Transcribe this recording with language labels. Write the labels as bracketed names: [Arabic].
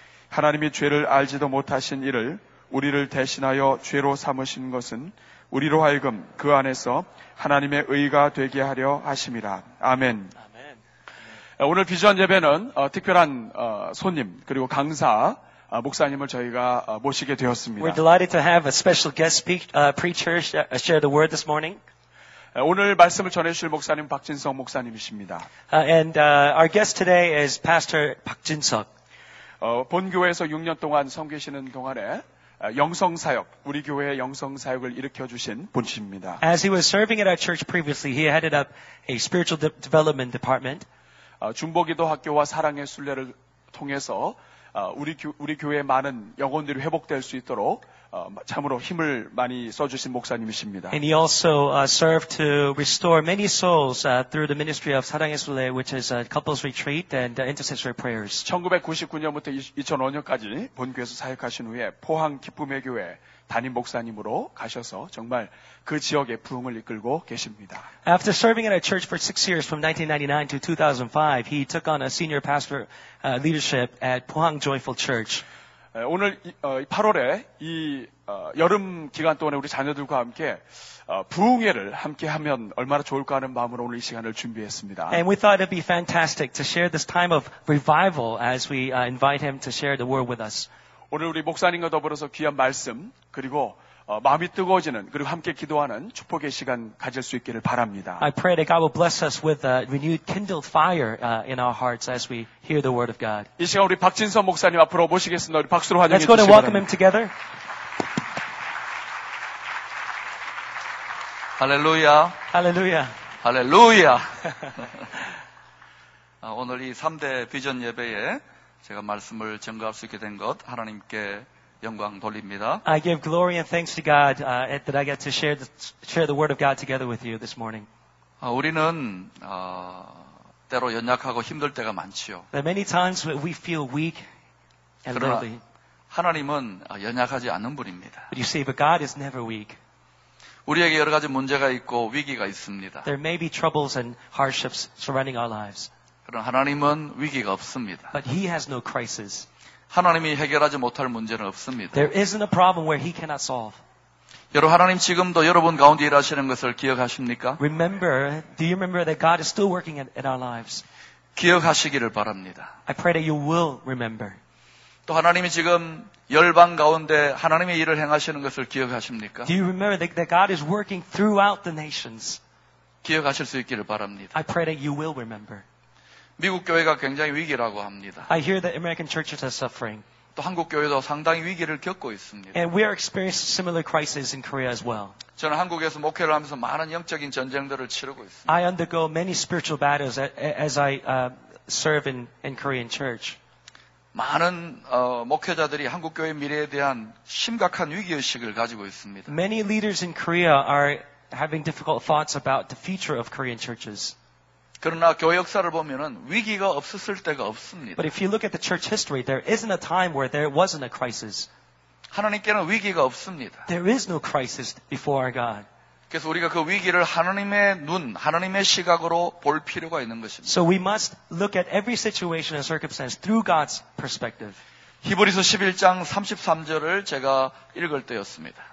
[Korean] 하나님이 죄를 알지도 못하신 이를 우리를 대신하여 죄로 삼으신 것은 우리로 하여금 그 안에서 하나님의 의가 되게 하려 하심이라. 아멘. 오늘 비전 예배는 특별한 손님 그리고 강사 목사님을 저희가 모시게 되었습니다. [English] We're delighted to have a special guest preacher share the word this morning. [Korean] 오늘 말씀을 전해주실 목사님 박진석 목사님이십니다. [English] And our guest today is Pastor 박진석. [Korean] 본 교회에서 6년 동안 섬기시는 동안에 영성 사역, 우리 교회의 영성 사역을 일으켜 주신 분이십니다. [English] As he was serving at our church previously, he headed up a spiritual development department. [Korean] 중보기도 학교와 사랑의 순례를 통해서 우리 교회의 많은 영혼들이 회복될 수 있도록 참으로 힘을 많이 써주신 목사님이십니다. [English] And he also served to restore many souls through the ministry of 사랑의 순례, which is a couples retreat and intercessory prayers. [Korean] 1999년부터 2005년까지 본교회에서 사역하신 후에 포항 기쁨의 교회 담임 목사님으로 가셔서 정말 그 지역의 부흥을 이끌고 계십니다. [English] After serving at a church for 6 years from 1999 to 2005, he took on a senior pastor leadership at Pohang Joyful Church. [Korean] 오늘 8월에 이 여름 기간 동안에 우리 자녀들과 함께 부흥회를 함께 하면 얼마나 좋을까 하는 마음으로 오늘 이 시간을 준비했습니다. [English] And we thought it'd be fantastic to share this time of revival as we invite him to share the word with us. [Korean] 오늘 우리 목사님과 더불어서 귀한 말씀 그리고 마음이 뜨거워지는 그리고 함께 기도하는 축복의 시간 가질 수 있기를 바랍니다. [English] I pray that God will bless us with a renewed kindled fire in our hearts as we hear the word of God. [Korean] 이 시간 우리 박진석 목사님 앞으로 모시겠습니다. 우리 박수로 환영해 주시기 바랍니다. [English] Let's go and welcome him together. Hallelujah. Hallelujah. Hallelujah. [Korean] 오늘 이 3대 비전 예배에 제가 말씀을 증거할 수 있게 된 것 하나님께 영광 돌립니다. [English] I give glory and thanks to God that I get to share the word of God together with you this morning. [Korean] 우리는 때로 연약하고 힘들 때가 많지요. [English] Many times we feel weak and lonely. [Korean] 그러나 하나님은 연약하지 않은 분입니다. [English] But you see, but God is never weak. [Korean] 우리에게 여러 가지 문제가 있고 위기가 있습니다. [English] There may be troubles and hardships surrounding our lives. [Korean] 그러나 하나님은 위기가 없습니다. [English] But he has no crisis. [Korean] 하나님이 해결하지 못할 문제는 없습니다. [English] There isn't a problem where he cannot solve. [Korean] 여러분, 하나님 지금도 여러분 가운데 일하시는 것을 기억하십니까? [English] Remember, do you remember that God is still working in our lives? [Korean] 기억하시기를 바랍니다. [English] I pray that you will remember. [Korean] 또 하나님이 지금 열방 가운데 하나님의 일을 행하시는 것을 기억하십니까? [English] Do you remember that God is working throughout the nations? [Korean] 기억하실 수 있기를 바랍니다. [English] I pray that you will remember. [Korean] 미국 교회가 굉장히 위기라고 합니다. [English] I hear that American churches are suffering. [Korean] 또 한국 교회도 상당히 위기를 겪고 있습니다. [English] And we are experiencing similar crises in Korea as well. [Korean] 저는 한국에서 목회를 하면서 많은 영적인 전쟁들을 치르고 있습니다. [English] I undergo many spiritual battles as I serve in Korean church. [Korean] 많은 목회자들이 한국 교회 미래에 대한 심각한 위기 의식을 가지고 있습니다. [English] Many leaders in Korea are having difficult thoughts about the future of Korean churches. [Korean] 그러나 교회 역사를 보면은 위기가 없었을 때가 없습니다. [English] But if you look at the church history, there isn't a time where there wasn't a crisis. [Korean] 하나님께는 위기가 없습니다. [English] There is no crisis before our God. [Korean] 그래서 우리가 그 위기를 하나님의 눈, 하나님의 시각으로 볼 필요가 있는 것입니다. [English] So we must look at every situation and circumstance through God's perspective. [Korean] 히브리서 11장 33절을 제가 읽을 때였습니다.